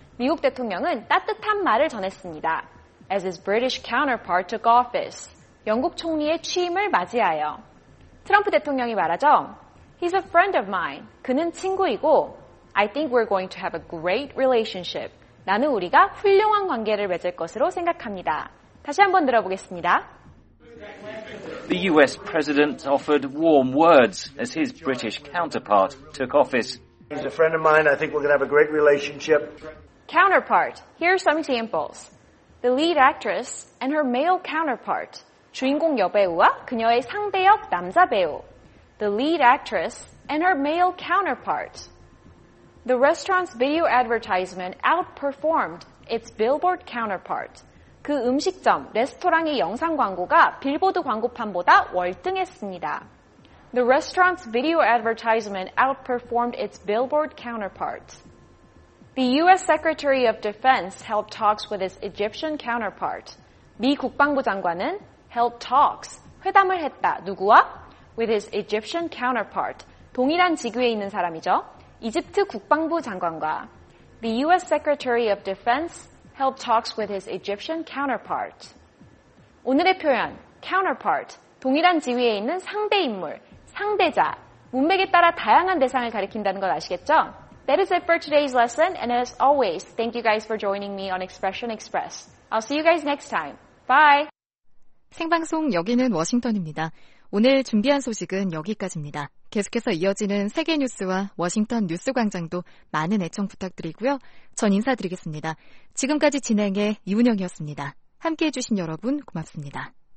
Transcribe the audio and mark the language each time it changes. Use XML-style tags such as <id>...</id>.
<ko>미국 대통령은 따뜻한 말을 전했습니다.</ko> <en>As his British counterpart took office.</en> <ko>영국 총리의 취임을 맞이하여. 트럼프 대통령이 말하죠.</ko> <en>He's a friend of mine.</en> <ko>그는 친구이고.</ko> <en>I think we're going to have a great relationship.</en> <ko>나는 우리가 훌륭한 관계를 맺을 것으로 생각합니다. 다시 한번 들어보겠습니다.</ko> <en>The US president offered warm words as his British counterpart took office. He's a friend of mine. I think we're going to have a great relationship. Counterpart. Here are some examples. The lead actress and her male counterpart.</en> <ko>주인공 여배우와 그녀의 상대역 남자 배우.</ko> <en>The lead actress and her male counterpart. The restaurant's video advertisement outperformed its billboard counterpart.</en> <ko>그 음식점, 레스토랑의 영상 광고가 빌보드 광고판보다 월등했습니다.</ko> <en>The restaurant's video advertisement outperformed its billboard counterpart. The U.S. Secretary of Defense held talks with his Egyptian counterpart.</en> <ko>미 국방부 장관은</ko> <en>held talks,</en> <ko>회담을 했다. 누구와?</ko> <en>With his Egyptian counterpart.</en> <ko>동일한 직위에 있는 사람이죠. 이집트 국방부 장관과. The U.S.</ko> <en>Secretary of Defense held talks with his Egyptian counterpart.</en> <ko>오늘의 표현, counterpart, 동일한 지위에 있는 상대 인물, 상대자, 문맥에 따라 다양한 대상을 가리킨다는 걸 아시겠죠?</ko> <en>That is it for today's lesson, and as always, thank you guys for joining me on Expression Express. I'll see you guys next time. Bye!</en> <ko>생방송 여기는 워싱턴입니다. 오늘 준비한 소식은 여기까지입니다. 계속해서 이어지는 세계 뉴스와 워싱턴 뉴스 광장도 많은 애청 부탁드리고요. 전 인사드리겠습니다. 지금까지 진행해 이운영이었습니다. 함께해 주신 여러분 고맙습니다.</ko>